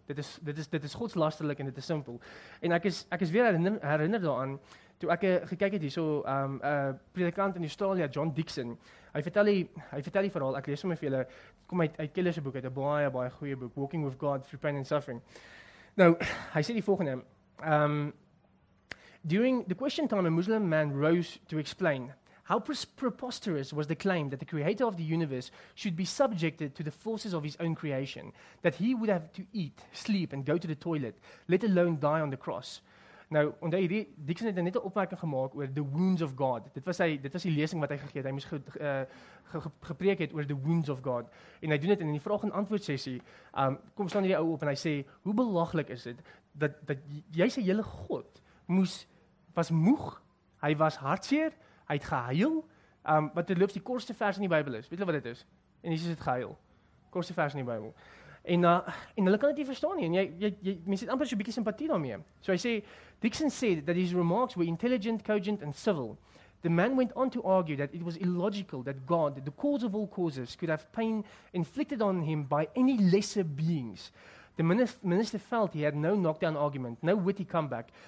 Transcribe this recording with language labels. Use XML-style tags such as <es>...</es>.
<af>Dit is godslasterlik en dit is simpel. En ek is weer herinner daaraan toe ek gekyk het hierso 'n predikant in Australië, John Dixon. Hy vertel die verhaal, ek lees hom vir julle, kom uit Keller se boek, uit 'n baie baie goeie boek, Walking with God Through Pain and Suffering.</af> <en>Now, I say the following. During the question time, a Muslim man rose to explain how preposterous was the claim that the creator of the universe should be subjected to the forces of his own creation, that he would have to eat, sleep, and go to the toilet, let alone die on the cross.</en> <af>Nou, onthou hierdie Dixon het net 'n opmerking gemaak oor</af> <en>the wounds of God.</en> <af>Dit was die lesing wat hy gegee het. Hy moes gepreek het oor</af> <en>the wounds of God.</en> <af>En hy doen dit in die vraag en antwoord sessie. Kom staan hierdie ou op en hy sê, "Hoe belaglik is dit dat jy sê julle God was moeg. Hy was hartseer, hy het gehuil." Wat terloops die kortste vers in die Bybel is. Weet julle wat dit is? En Jesus het gehuil. Kortste vers in die Bybel. En hulle kan dit nie verstaan nie. En jy mens het amper so 'n bietjie simpatie daarmee. So hy sê,</af> <en>Dixon said that his remarks were intelligent, cogent and civil. The man went on to argue that it was illogical that God, the cause of all causes, could have pain inflicted on him by any lesser beings. The minister felt he had no knockdown argument, no witty comeback.</en>